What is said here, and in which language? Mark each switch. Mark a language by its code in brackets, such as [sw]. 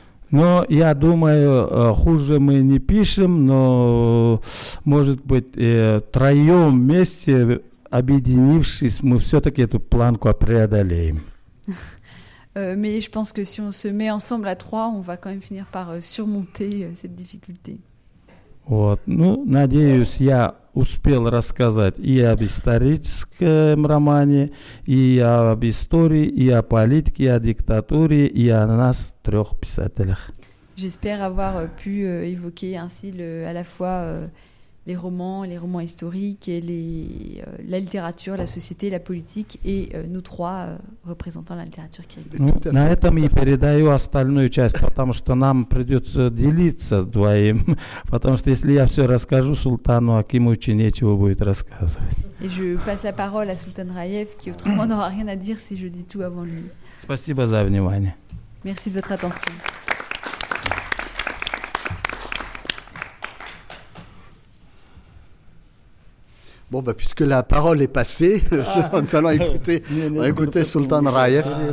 [fr] Non, je pense que nous ne pichons pas, mais peut-être trois ensemble, nous avons cette planque à préadaler. Mais je pense que si on se met ensemble à trois, on va quand même finir par surmonter cette difficulté. [ru] Вот. Ну, надеюсь, я успел рассказать и об историческом романе, и об истории, и о политике, и о диктатуре, и о нас трех писателях. [fr] J'espère avoir pu évoquer ainsi à la fois les romans historiques, et la littérature, la société, la politique, et nous trois représentant la littérature qui [ru] ну, на этом я передаю остальную часть, потому что нам придется делиться двоим, потому что если я все расскажу Султану Акимовичу, нечего будет рассказывать. [fr] Et je passe la parole à Sultan Raïef, qui autrement n'aura rien à dire si je dis tout avant lui. [ru] Спасибо за внимание. [fr] Merci de votre attention. Bon, bah, puisque la parole est passée, nous allons écouter, écouter Султан Раев.